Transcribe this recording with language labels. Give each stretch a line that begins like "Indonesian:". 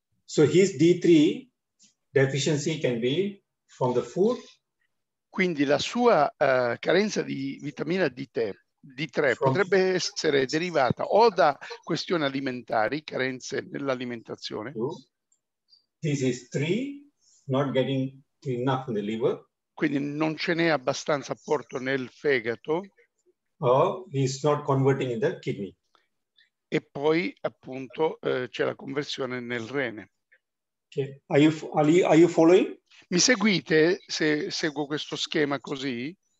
English: So his D3 deficiency can be from the food.
Italian: Quindi la sua carenza di vitamina D3 potrebbe essere derivata o da questioni alimentari, carenze nell'alimentazione.
English: This is three, not getting enough in the liver.
Italian: Quindi non ce n'è abbastanza apporto nel fegato.
English: He's not converting in the kidney.
Italian: E poi appunto c'è la conversione nel rene.
English: Okay. Are you following?
Italian: Mi seguite se seguo questo schema così?